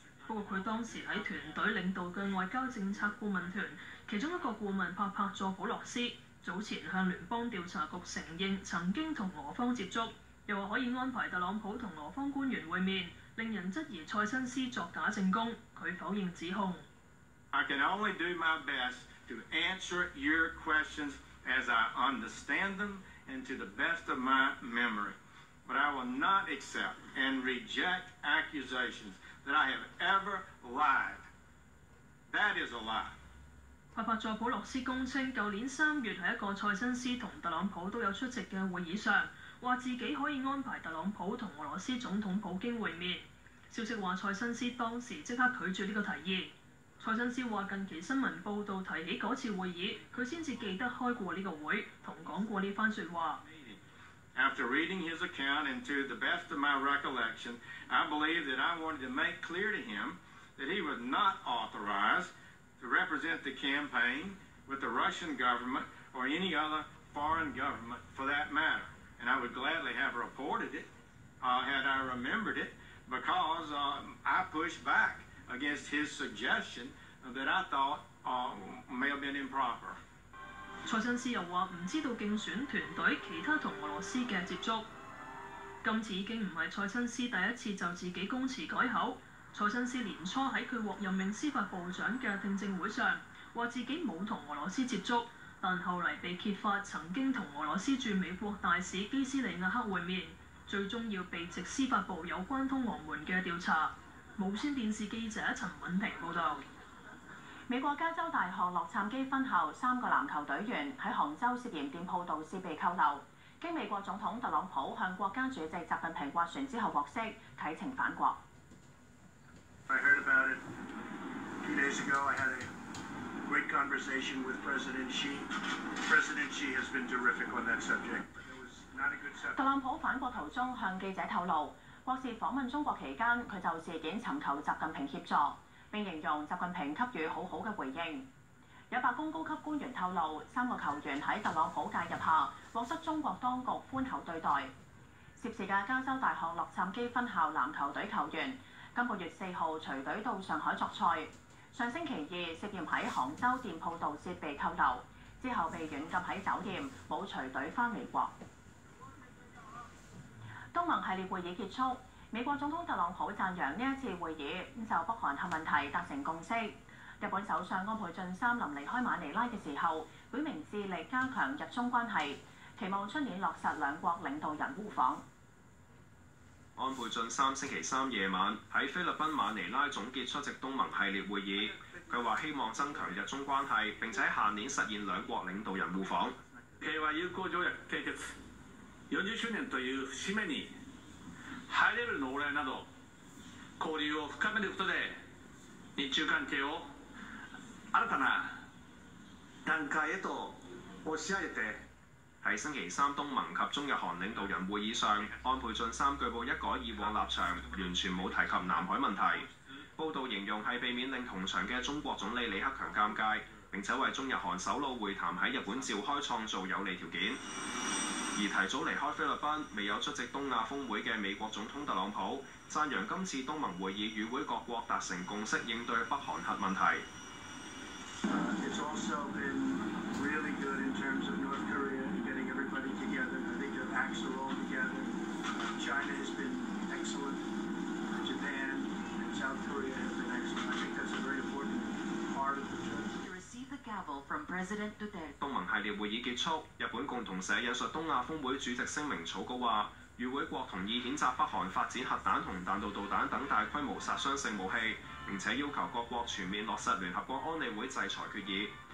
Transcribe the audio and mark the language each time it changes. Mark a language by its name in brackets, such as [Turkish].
[Cantonese] 不过他当时在团队领导的外交政策顾问团，其中一个顾问帕帕佐普洛斯早前向联邦调查局承认曾经和俄方接触，又说可以安排特朗普和俄方官员会面，令人质疑蔡新斯作假证供，他否认指控。 [English] I can only do my bestTo answer your questions as I understand them and to the best of my memory. But I will not accept and reject accusations that I have ever lied. That is a lie. [Cantonese] 帕帕佐普洛斯供称，去年3月在一个蔡新斯和特朗普都有出席的会议上，说自己可以安排特朗普和俄罗斯总统普京会面。消息说蔡新斯当时即刻拒绝这个提议。蔡新斯说近期新闻报道提起那次会议，他才记得开过这个会和讲过这番说话。 [English] After reading his account and to the best of my recollection, I believe that I wanted to make clear to him that he was not authorized to represent the campaign with the Russian government or any other foreign government for that matter. And I would gladly have reported it, had I remembered it, because, I pushed back. against his suggestion that I thought, may have been improper. [Cantonese] 蔡新斯又说不知道竞选团队其他和俄罗斯的接触。今次已经不是蔡新斯第一次就自己供词改口。蔡新斯年初在他获任命司法部长的听证会上说自己没有和俄罗斯接触，但后来被揭发曾经和俄罗斯驻美国大使基斯里亚克会面，最终要被直司法部有关通俄门的调查。无线电视记者陈敏婷报道。美国加州大学洛杉矶分校3个篮球队员在杭州涉嫌店铺盗窃被扣留，经美国总统特朗普向国家主席习近平斡旋之后获释，启程返国。 [English] I heard about it two days ago. I had a great conversation with President Xi. President Xi has been terrific on that subject. But there was not a good subject. [Cantonese] 特朗普返国途中向记者透露，博士訪問中國期間，他就事件尋求習近平協助，並形容習近平給予好好的回應。有白宮高級官員透露，3個球員在特朗普介入下獲得中國當局寬厚對待。涉事的加州大學洛杉磯分校籃球隊球員今個月4日隨隊到上海作賽，上星期二涉嫌在杭州店鋪盜竊被扣留，之後被軟禁在酒店，沒有隨隊回美國。東盟系列會議結束，美國總統特朗普讚揚這次會議就北韓核問題達成共識。日本首相安倍晋三临离开马尼拉的时候，表明致力加强日中关系，期望春年落实两国领导人互访。安倍晋三星期三夜晚在菲律宾马尼拉总结出席东盟系列会议，他说希望增强日中关系，并且下年实现两国领导人互访。 [Japanese] 平和友好条約締結40周年という節目にハイレベルの往来など交流を深めることで日中関係を新たな段階へと押し上げて。 [Cantonese] 在星期三東盟及中日韓領導人會議上，安倍晉三據報一改以往立場，完全沒有提及南海問題。報道形容是避免令同場的中國總理李克強尷尬，並且為中日韓首腦會談在日本召開創造有利條件。而提早離開菲律賓、未有出席東亞峰會的美國總統特朗普，讚揚今次東盟會議與會各國達成共識應對北韓核問題。 [English] It's also been really good in terms of North Korea getting everybody together. I think their backs are all together. China has been excellent. Japan and South Korea have been excellent. I think that's a very important part of the trip. [Cantonese] 東盟系列會議結束，日本共同社引述東亞峰會主席聲明草稿話，與會國同意譴責北韓發展核彈和彈道導彈等大規模殺傷性武器，並且要求各國全面落實聯合國安理會制裁決議。